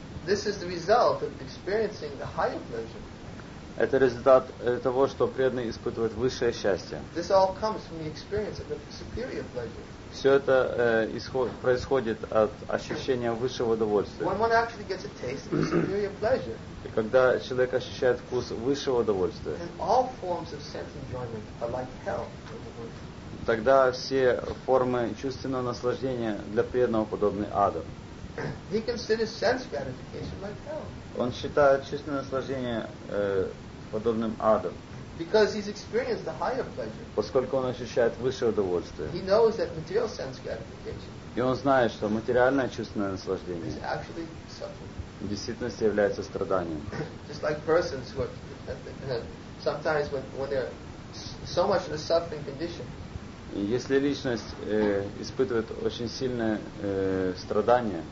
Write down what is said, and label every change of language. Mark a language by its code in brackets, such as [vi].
[en] This is the result of experiencing the higher pleasure. [ru] Это результат того, что преданный испытывает высшее счастье. [en] This all comes from the experience of the superior pleasure. [ru] Все это происходит от ощущения высшего удовольствия. [en] When one actually gets a taste of superior pleasure. [ru] И когда человек ощущает вкус высшего удовольствия. [en] Then all forms of sense enjoyment are like hell. [ru] Тогда все формы чувственного наслаждения для преданного подобны аду. [en] He considers sense gratification like hell. [ru] Он считает чувственное наслаждение подобным аду. [en] Because he's experienced the higher pleasure. [ru] Поскольку он ощущает высшее удовольствие. [en] He knows that material sense gratification. [ru] И он знает, что материальное чувственное наслаждение [en] is actually suffering. [ru] В действительности является страданием. [en] Just like persons who are sometimes when they're so much in a suffering condition. [ru] Если личность испытывает очень сильное страдание,